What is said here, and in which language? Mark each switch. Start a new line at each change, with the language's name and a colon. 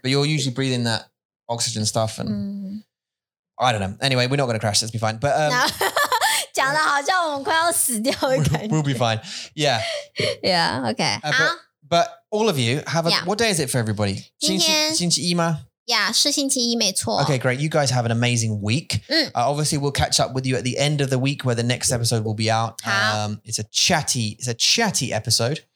English: But you're usually breathing that oxygen stuff and... I don't know. Anyway, we're not going to crash, let's be fine. But...
Chinese: 讲得好像我们快要死掉的感觉。
English: We'll be fine. Yeah. Yeah, okay. But all of you, what day is it for everybody?
Chinese: 星期一吗? Yeah, 是星期一没错。
English: Okay, great. You guys have an amazing week. Obviously, we'll catch up with you at the end of the week where the next episode will be out. It's a chatty episode.